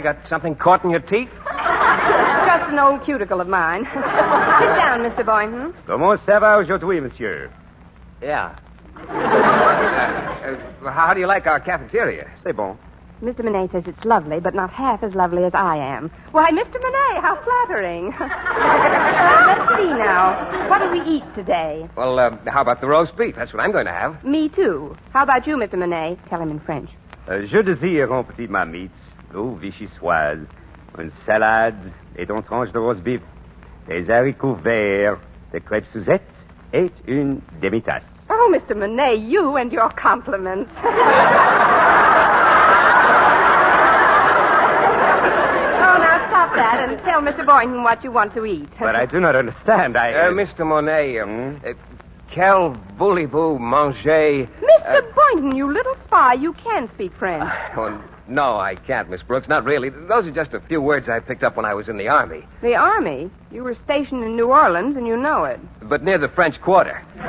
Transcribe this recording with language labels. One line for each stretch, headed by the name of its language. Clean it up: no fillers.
English: Got something caught in your teeth? Just an old cuticle of mine. Sit down, Mr. Boynton.
French: Comment ça va aujourd'hui, monsieur?
English: Yeah. How do you like our cafeteria?
French: C'est bon.
English: Mr. Monet says it's lovely, but not half as lovely as I am. Why, Mr. Monet, how flattering. Let's see now. What do we eat today? Well, how about the roast beef? That's what I'm going to have. Me too. How about you, Mr. Monet? Tell him in French.
French: Je désire un petit marmite, l'eau vichyssoise, une salade et une tranche de roast beef, des haricots verts, des crêpes Suzette et une demi-tasse.
English: Oh, Mr. Monet, you and your compliments. That and tell Mr. Boynton what you want to eat. But I do not understand. Mr. Monet,
French: quel voulez-vous manger?
English: Mr. Boynton, you little spy, you can speak French. No, I can't, Miss Brooks. Not really. Those are just a few words I picked up when I was in the Army. The Army? You were stationed in New Orleans and you know it. But near the French Quarter.